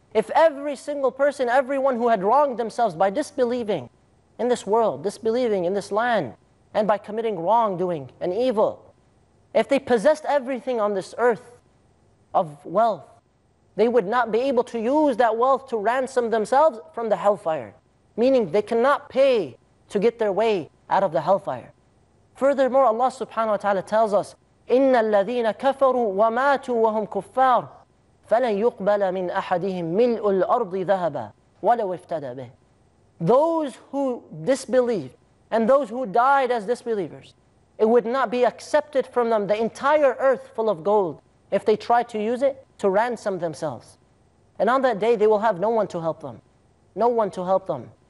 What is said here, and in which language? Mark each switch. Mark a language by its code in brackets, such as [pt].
[en] If every single person, everyone who had wronged themselves by disbelieving in this world, disbelieving in this land, and by committing wrongdoing and evil, if they possessed everything on this earth of wealth, they would not be able to use that wealth to ransom themselves from the hellfire. Meaning they cannot pay to get their way out of the hellfire. Furthermore, Allah subhanahu wa ta'ala tells us, [ar] إِنَّ الَّذِينَ كَفَرُوا وَمَاتُوا وَهُمْ كُفَّارُ فَلَنْ يُقْبَلَ مِنْ أَحَدِهِمْ مِلْءُ الْأَرْضِ ذَهَبًا وَلَوْ افْتَدَى بِهِ. [en] Those who disbelieve and those who died as disbelievers, it would not be accepted from them the entire earth full of gold if they tried to use it to ransom themselves. And on that day, they will have no one to help them. No one to help them.